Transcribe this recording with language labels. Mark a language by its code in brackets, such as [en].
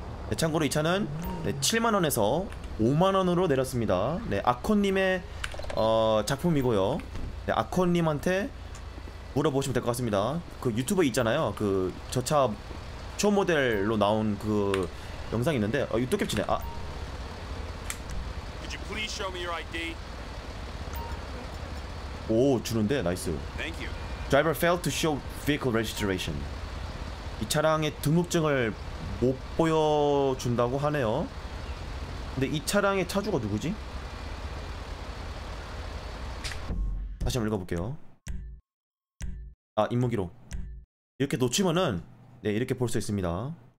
[ko] 네, 참고로 이 차는 네, 7만원에서 5만원으로 내렸습니다. 네 아콘님의 작품이고요. 네 아콘님한테 물어보시면 될 것 같습니다. 그 유튜버 있잖아요. 그 저차 초 모델로 나온 그 영상 있는데 유튜브 캡치네. 아. [en] Could you please show me your ID? [ko] 오 주는데 나이스. [en] Thank you. Driver failed to show vehicle registration. [ko] 이 차량의 등록증을 못 보여준다고 하네요. 근데 이 차량의 차주가 누구지? 다시 한번 읽어볼게요. 아 임무기록 이렇게 놓치면은 네 이렇게 볼 수 있습니다.